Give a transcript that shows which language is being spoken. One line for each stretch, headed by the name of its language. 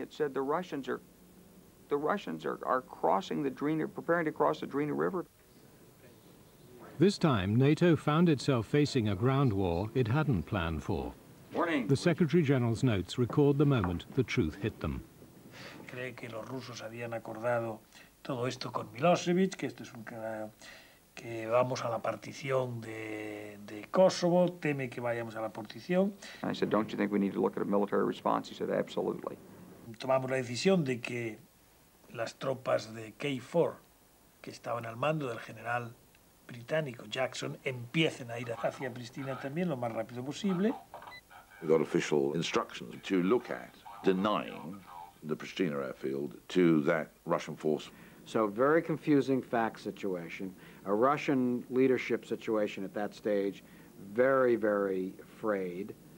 English: It said the Russians are crossing the Drina, preparing to cross the Drina River. This time, NATO found itself facing a ground war it hadn't planned for. Morning. The Secretary General's notes record the moment the truth hit them.
Spanish: Cree que los rusos habían acordado todo esto con Milosevic, que esto es un que vamos a la partición de Kosovo. Teme que vayamos a la partición.
English: I said, don't you think we need to look at a military response? He said, absolutely.
Spanish: Tomamos la decisión de que las tropas de KFOR, que estaban al mando del general británico Jackson, empiecen a ir hacia Pristina también lo más rápido posible.
English: We got official instructions to look at denying the Pristina airfield to that Russian force. So very confusing fact situation, a Russian leadership situation at that stage, very, very frayed.